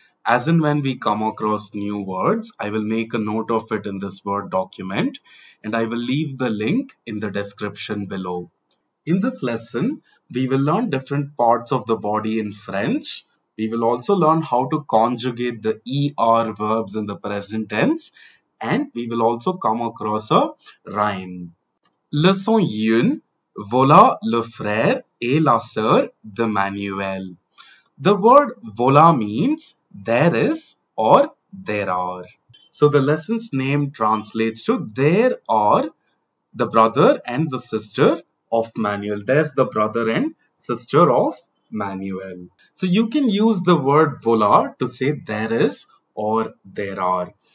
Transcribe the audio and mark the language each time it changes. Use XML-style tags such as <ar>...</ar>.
<en>As and when we come across new words, I will make a note of it in this Word document and I will leave the link in the description below. In this lesson, we will learn different parts of the body in French. We will also learn how to conjugate the ER verbs in the present tense. And we will also come across a rhyme.</en> <fr>Leçon 1. Voilà le frère et la sœur de Manuel.</fr> <en>The word voilà means there is or there are. So the lesson's name translates to there are the brother and the sister of Manuel. There's the brother and sister of Manuel. So you can use the word voilà to say there is or there are.</en>